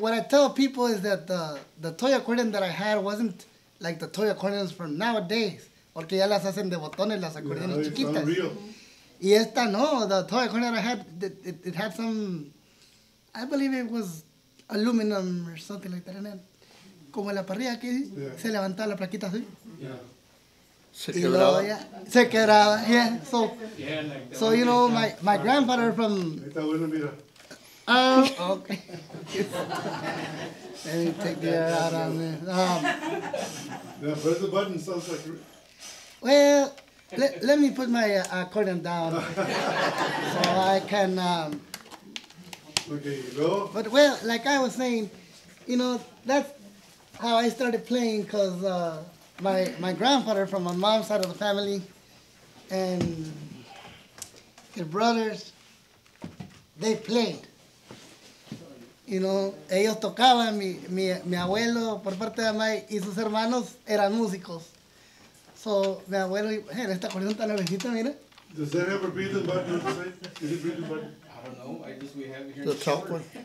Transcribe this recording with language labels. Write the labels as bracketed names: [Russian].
[English] What I tell people is that the toy accordion that I had wasn't like the toy accordions from nowadays. [Spanish] Porque ya las hacen de botones las acordeones yeah, chiquitas. Y esta no, [English] the toy accordion I had, it had some, I believe it was aluminum or something like that. And then, [Spanish] como la parrilla aquí, yeah. Se levantaba la plaquita así. [English] Yeah. [Spanish] Se quebraba. Se quebraba, yeah. [English] So, yeah, like so you know, my grandfather from... [Spanish] Ahí está bueno, mira. [English] Okay. Let me take the air out of me. Yeah, press the button, sounds like... Well, let me put my accordion down so I can. Okay, go. But well, like I was saying, you know, that's how I started playing because my grandfather from my mom's side of the family and his brothers, they played. You know, [Spanish] ellos tocaban. Mi abuelo por parte de mi y sus hermanos eran músicos. So, mi abuelo, en esta acordeón tan nuevecita, mira. [English] Does that have a breathing button? Is it breathing button? I don't know. I just, we have it here. The top one.